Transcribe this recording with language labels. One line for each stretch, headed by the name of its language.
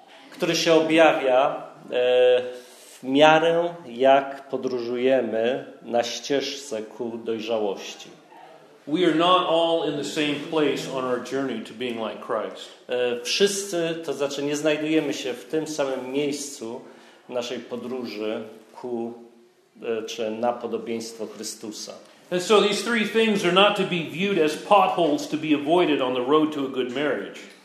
Polish: Który się objawia w miarę, jak podróżujemy na ścieżce ku dojrzałości.
English: We are not all in the same place on our journey to being like Christ.
Polish: Wszyscy, to znaczy nie znajdujemy się w tym samym miejscu naszej podróży ku czy na podobieństwo Chrystusa.
English: And so these three things are not to be viewed as potholes to be avoided on the road to a good marriage.